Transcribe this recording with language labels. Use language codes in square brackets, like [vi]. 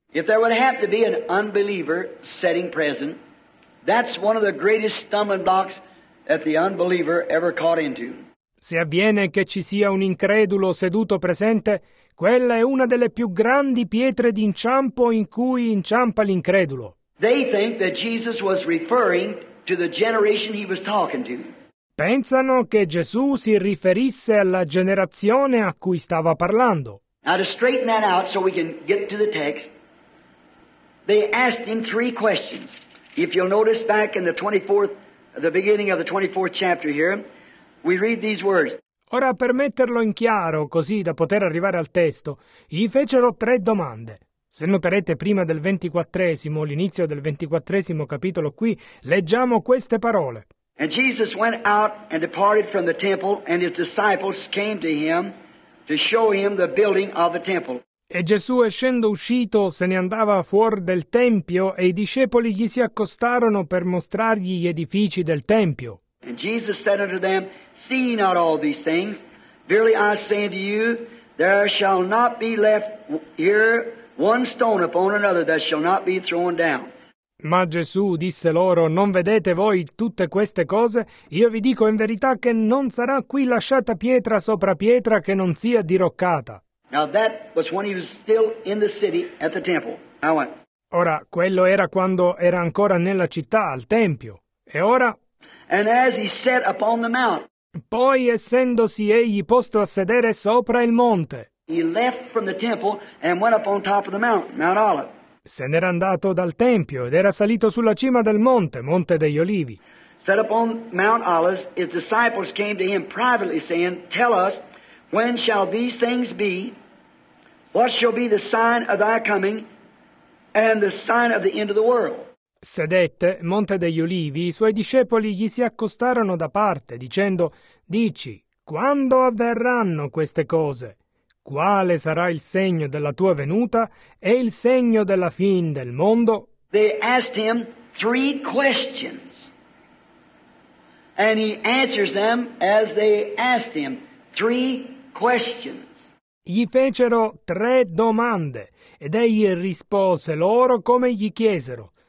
[en] If there would have to be an unbeliever sitting present, That's one of the greatest stumbling blocks that the unbeliever ever caught into. [it] Se avviene che ci sia un incredulo seduto presente, quella è una delle più grandi pietre d'inciampo in cui inciampa l'incredulo. [en] They think that Jesus was referring to the generation he was talking to. [it] Pensano che Gesù si riferisse alla generazione a cui stava parlando. [en] Now, to straighten that out so we can get to the text, they asked him three questions. If you'll notice back in the beginning of the 24th chapter here, we read these words. [it] Ora, per metterlo in chiaro, così da poter arrivare al testo, gli fecero tre domande. Se noterete, prima del 24esimo, l'inizio del 24esimo capitolo qui, leggiamo queste parole. [en] And Jesus went out and departed from the temple, and his disciples came to him to show him the building of the temple. [it] E Gesù, essendo uscito, se ne andava fuori del tempio, e i discepoli gli si accostarono per mostrargli gli edifici del tempio. [en] And Jesus said unto them, See not all these things. Verily I say unto you, there shall not be left here one stone upon another that shall not be thrown down. [it] Ma Gesù disse loro, Non vedete voi tutte queste cose? Io vi dico in verità che non sarà qui lasciata pietra sopra pietra che non sia diroccata. [en] Now that was when he was still in the city at the temple. Now what? [it] Ora, quello era quando era ancora nella città, al tempio. E ora? [en] And as he sat upon the mount. [it] Poi, essendosi egli posto a sedere sopra il monte. [en] He left from the temple and went up on top of the mountain, Mount Olive. [it] Se n'era andato dal tempio ed era salito sulla cima del monte, Monte degli Olivi. [en] Set upon Mount Olives, his disciples came to him privately, saying, Tell us, when shall these things be? What shall be the sign of thy coming and the sign of the end of the world? [it] Sedette, Monte degli Olivi, i suoi discepoli gli si accostarono da parte, dicendo, Dici, quando avverranno queste cose? Quale sarà il segno della tua venuta e il segno della fin del mondo? [en] They asked him three questions. And he answers them as they asked him three questions. [it] Gli fecero tre domande ed egli rispose loro come gli chiesero.